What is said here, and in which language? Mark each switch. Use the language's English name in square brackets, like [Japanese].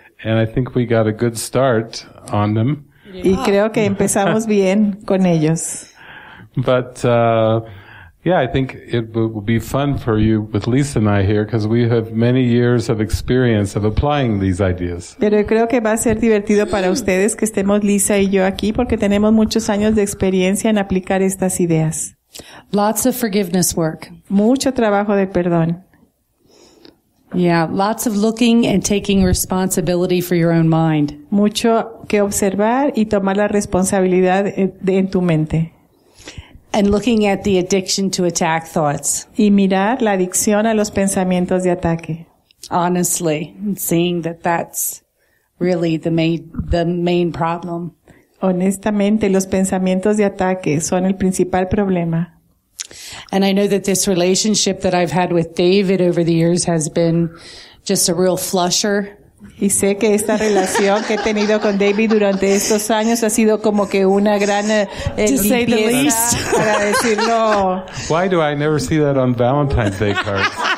[English] And I think we got a good start on them. [Spanish] Y creo que empezamos bien con ellos. [English] But I think it will be fun for you with Lisa and I here because we have many years of experience of applying these ideas. [Spanish] Pero creo que va a ser divertido para ustedes que estemos Lisa y yo aquí porque tenemos muchos años de experiencia en aplicar estas ideas. [English] Lots of forgiveness work. [Spanish] Mucho trabajo de perdón. [English] Yeah, lots of looking and taking responsibility for your own mind. [Spanish] Mucho que observar y tomar la responsabilidad en tu mente. [English] And looking at the addiction to attack thoughts. [Spanish] Y mirar la adicción a los pensamientos de ataque. [English] Honestly, seeing that that's really the main problem. [Spanish] Honestamente, los pensamientos de ataque son el principal problema. [English] And I know that this relationship that I've had with David over the years has been just a real flusher. [Spanish] Y sé que esta relación que he tenido con David durante estos años ha sido como que una gran limpieza, para decirlo. [English] Why do I never see that on Valentine's Day cards?